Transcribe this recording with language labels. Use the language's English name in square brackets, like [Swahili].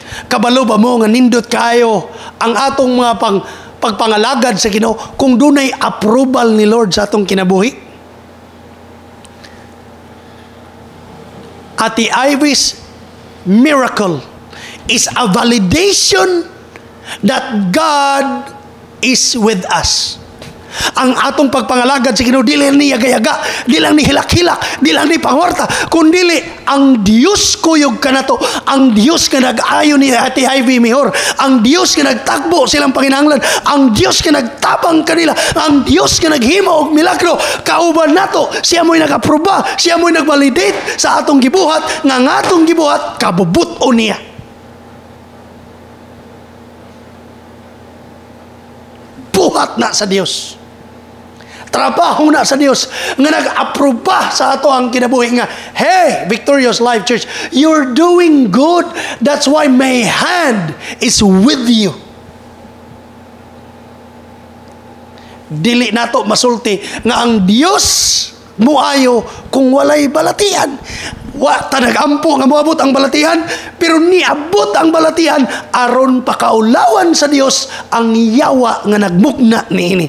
[Cebuano] Kabalo ba mo nga nindot kayo ang atong mga pagpangalagad sa Ginoo kung dunay approval ni Lord sa atong kinabuhi? [English] At the Ivy's miracle is a validation that God is with us. [Cebuano] Ang atong pagpangalagad sa Ginoo, dili ni yaga-yaga, dili ni hilak-hilak, dili ni pangwarta, kundili ang Dios kuyog kanato, ang Dios nga nag-ayo ni Ate Ivy Mihor, ang Dios nga nagtakbo silang Panginanglan, ang Dios nga nagtabang kanila, ang Dios nga naghimo og milagro. Kauban nato, siya mo'y nag-aproba, siya mo'y nag-validate sa atong gibuhat, nga ang atong gibuhat kabubut-o niya. Buhat na sa Dios. Trabaho na sa Dios nga nag-aproba sa ato ang kinabuhi nga, [English] hey, Victorious Life Church, you're doing good. That's why my hand is with you. [Cebuano] Dili nato masulti nga ang Dios muayo kung walay balatian. Wa ta nagampo nga moabot ang balatian, pero niabot ang balatian aron pakaulawan sa Dios ang yawa nga nagmugna niini.